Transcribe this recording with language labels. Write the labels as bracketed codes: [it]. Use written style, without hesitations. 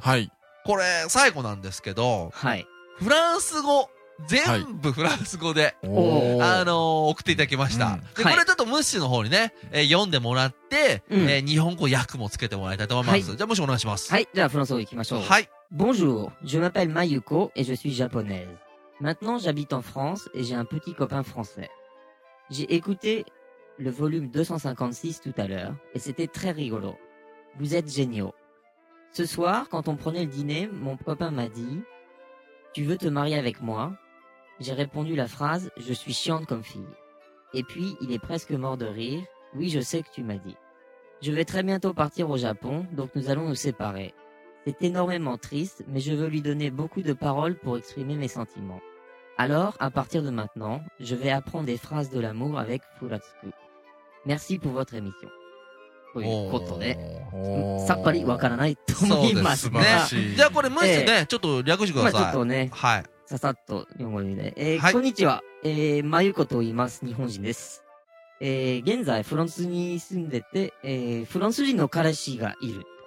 [ja] はい。これ、最後なんですけど。はい。フランス語。全部フランス語で、はい、送っていただきました。うん、で、はい、これちょっとムッシュの方にね、読んでもらって、うん、日本語訳もつけてもらいたいと思います。はい、じゃあ、ムッシュお願いします。はい、じゃあ、フランス語行きましょう。はい。 [fr] Bonjour, je m'appelle Mayuko et je suis japonaise. Maintenant, j'habite en France et j'ai un petit copain français. J'ai écouté le volume 256 tout à l'heure et c'était très rigolo. Vous êtes géniaux. Ce soir, quand on prenait le dîner, mon copain m'a dit... Tu veux te marier avec moi ? J'ai répondu la phrase « Je suis chiante comme fille ». Et puis, il est presque mort de rire. « Oui, je sais que tu m'as dit. Je vais très bientôt partir au Japon, donc nous allons nous séparer. C'est énormément triste, mais je veux lui donner beaucoup de paroles pour exprimer mes sentiments. Alors, à partir de maintenant, je vais apprendre des phrases de l'amour avec Furatsuku. Merci pour votre émission. [ja] ということで、さっぱりわからないと思います。そうですね。じゃあこれむしろね、ちょっと略してください。ちょっとね、はい、ささっと日本語で、はい、こんにちは、まゆこと言います。日本人です。現在フランスに住んでて、フランス人の彼氏がいる。